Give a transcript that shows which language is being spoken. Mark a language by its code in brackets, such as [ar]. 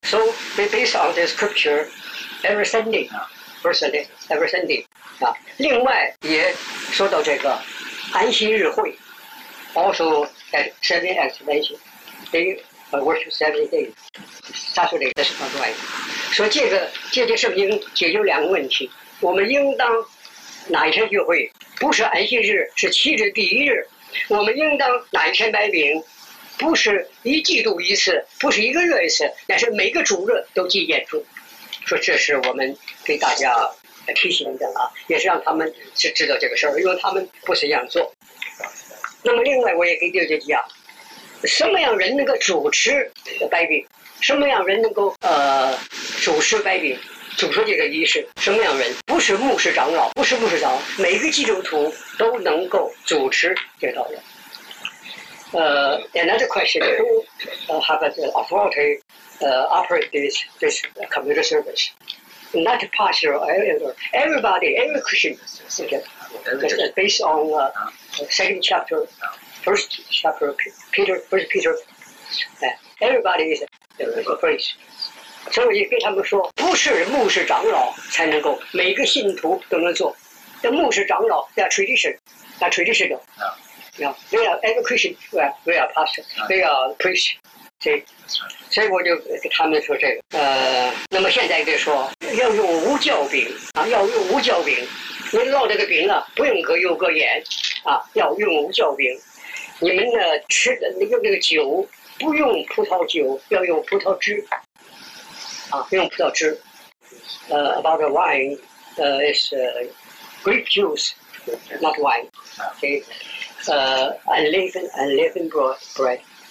[en] So based on the scripture, every Sunday, every Sunday. [zh] 啊，另外也说到这个安息日会 [en] ，also at 7 as 安息 ，they worship 7 days. Saturday is not right. [zh] 说这个圣经解决两个问题：我们应当哪一天聚会？不是安息日，是七日第一日。我们应当哪一天摆饼，不是一季度一次，不是一个月一次，乃是每个主日都纪念主。说这是我们给大家提醒的啊，也是让他们是知道这个事儿，因为他们不是这样做。那么另外我也给大家讲，什么样人能够主持摆饼，什么样人能够主持摆饼，主持这个仪式，什么样人？不是牧师长老，不是牧师长老，每个基督徒都能够主持这道的。 [en] Another question: Who have the authority operate this community service? Not pastor or elder. Everybody, every Christian. Okay. Based on second chapter, first chapter, Peter, first Peter. Everybody is a priest. [zh] 所以跟他们说，不是牧师长老才能够，每个信徒都能做。那牧师长老 ， [en] they are traditional， [zh] 那 traditional， 啊，你看 ， [en] they are education， they are pastor， they are priest， [zh] 这，所以我就跟他们说这个。那么现在就说要用无酵饼啊，要用无酵饼，你烙这个饼啊，不用搁油搁盐啊，要用无酵饼。你们呢吃的用那个酒，不用葡萄酒，要用葡萄汁。啊，用葡萄汁。 [en] About the wine, is grape juice, not wine. Okay, unleavened bread.